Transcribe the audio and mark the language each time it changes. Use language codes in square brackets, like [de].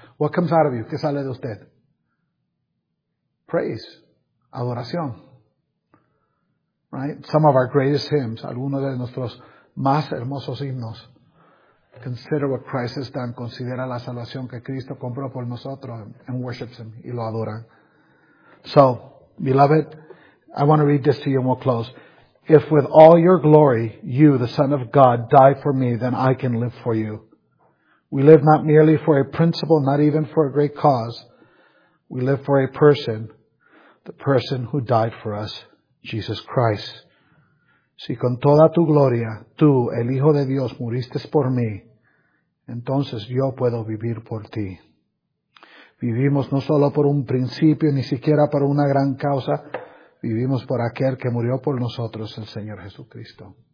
[en] What comes out of you? [es] ¿Qué sale de usted? [en] Praise. [es] Adoración. [en] Right? Some of our greatest hymns. [es] Algunos de nuestros más hermosos himnos. [en] Consider what Christ has done. [es] Considera la salvación que Cristo compró por nosotros. [en] And worships him. [es] Y lo adoran. [en] So, beloved, I want to read this to you and we'll close. If with all your glory, you, the Son of God, die for me, then I can live for you. We live not merely for a principle, not even for a great cause. We live for a person, the person who died for us, Jesus Christ. [es] Si con toda tu gloria, tú, el Hijo de Dios, muriste por mí, entonces yo puedo vivir por ti. Vivimos no solo por un principio, ni siquiera por una gran causa. Vivimos por aquel que murió por nosotros, el Señor Jesucristo.